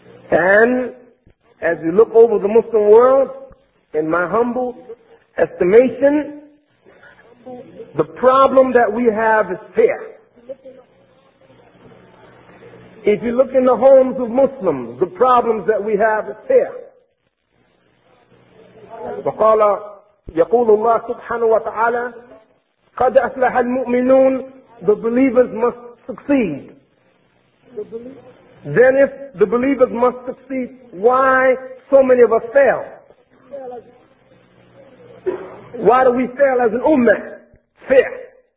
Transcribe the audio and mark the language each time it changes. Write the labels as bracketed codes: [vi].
[en] And as we look over the Muslim world, in my humble estimation, the problem that we have is fear. If you look in the homes of Muslims, the problems that we have is fear. [ar] وقال يقول الله سبحانه وتعالى قد أفلح المؤمنون. [en] The believers must succeed, then if the believers must succeed, why so many of us fail? Why do we fail as an ummah? Fear.